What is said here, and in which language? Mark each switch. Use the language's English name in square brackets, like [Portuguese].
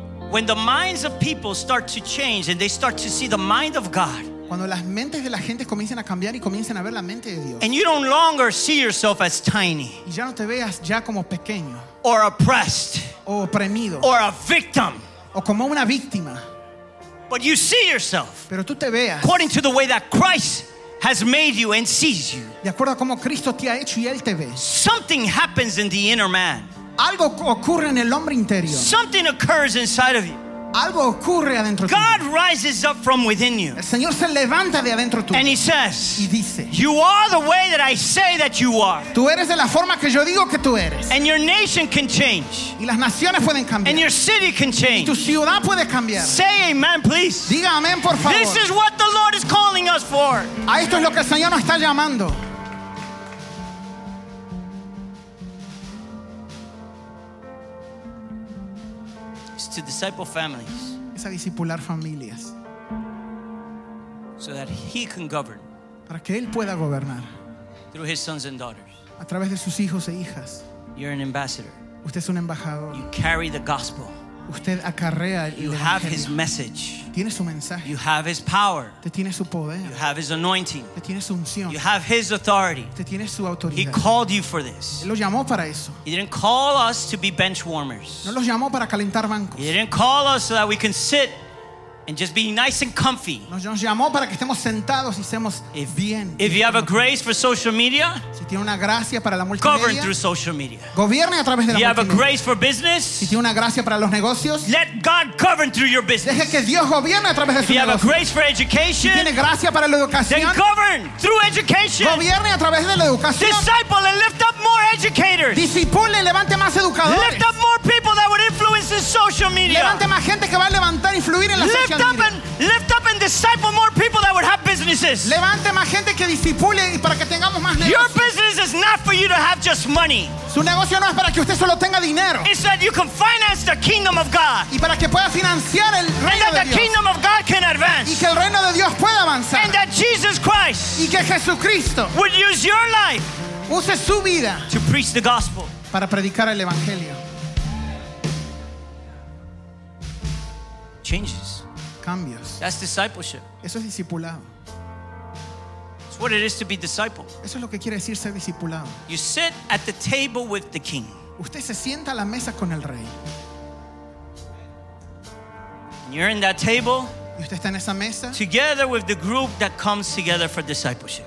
[English] When the minds of people start to change and they start to see the mind of God. [Spanish] Cuando las mentes de la gente comienzan a cambiar y comienzan a ver la mente de Dios. [English] And you don't longer see yourself as tiny. [Spanish] Y ya no te veas ya como pequeño. [English] Or oppressed. [Spanish] O oprimido. [English] Or a victim. [Spanish] O como una víctima. [English] But you see yourself. [Spanish] Pero tú te veas. [English] According to the way that Christ has made you and sees you. [Spanish] De acuerdo a cómo Cristo te ha hecho y él te ve. [English] Something happens in the inner man. [Spanish] Algo ocurre en el hombre interior. [English] Something occurs inside of you. [Spanish] Algo ocurre adentro tuyo. [English] God rises up from within you. [Spanish] El Señor se levanta de adentro tuyo. [English] And he says, [Spanish] y dice, [English] you are the way that I say that you are. [Spanish] Tú eres de la forma que yo digo que tú eres. [English] And your nation can change. [Spanish] Y las naciones pueden cambiar. [English] And your city can change. [Spanish] Y tu ciudad puede cambiar. [English] Say amen, please. [Spanish] Diga amén, por favor. [English] This is what the Lord is calling us for. [Spanish] A esto es lo que el Señor nos está llamando. [English] To disciple families, [Spanish] es a discipular familias, [English] so that he can govern, [Spanish] para que él pueda gobernar, [English] through his sons and daughters, [Spanish] a través de sus hijos e hijas. [English] You're an ambassador. [Spanish] Usted es un embajador. [English] You carry the gospel. [Spanish] Usted acarrea el [English] you have his message. [Spanish] Tiene su mensaje. [English] You have his power. [Spanish] Te tiene su poder. [English] You have his anointing. [Spanish] Te tiene su unción. [English] You have his authority. [Spanish] Te tiene su autoridad. [English] He called you for this. [Spanish] Él lo llamó para eso. [English] He didn't call us to be bench warmers. [Spanish] No los llamó para calentar bancos. [English] He didn't call us so that we can sit and just be nice and comfy. [Spanish] Nos llamó para que estemos sentados y estemos bien. [English] If you have a grace for social media, [Spanish] si tiene una gracia para la multimedia, [English] govern through social media. [Spanish] Gobierne a través de la [English] multimedia. If you have a grace for business, [Spanish] si tiene una gracia para los negocios, [English] let God govern through your business. [Spanish] Deje que Dios gobierne a través de su negocio. [English] If you have a grace for education, [Spanish] si tiene gracia para la educación, [English] then govern through education. [Spanish] Gobierne a través de la educación. [English] Disciple and lift up more educators. [Spanish] Discípulo y levante más educadores. [English] Lift up more people that would influence in social media. [Spanish] Levante más gente que va a levantar e influir en la social. [English] Lift up and disciple more people that would have businesses. [Spanish] Levante más gente que discipule y para que tengamos más negocios. [English] Your business is not for you to have just money. [Spanish] Su negocio no es para que usted solo tenga dinero. [English] It's that you can finance the kingdom of God. [Spanish] Y para que pueda financiar el reino de Dios. [English] And that the kingdom of God can advance. [Spanish] Y que el reino de Dios pueda avanzar. [English] And that Jesus Christ. [Spanish] Y que Jesucristo. [English] Would use your life. [Spanish] Use su vida. [English] To preach the gospel. [Spanish] Para predicar el evangelio. [English] Changes. [Spanish] Cambios. [English] That's discipleship. [Spanish] Eso es discipulado. [English] It's what it is to be disciple. [Spanish] Eso es lo que quiere decir ser discipulado. [English] You sit at the table with the king. [Spanish] Usted se sienta a la mesa con el rey. [English] And you're in that table. [Spanish] Y usted está en esa mesa. [English] Together with the group that comes together for discipleship.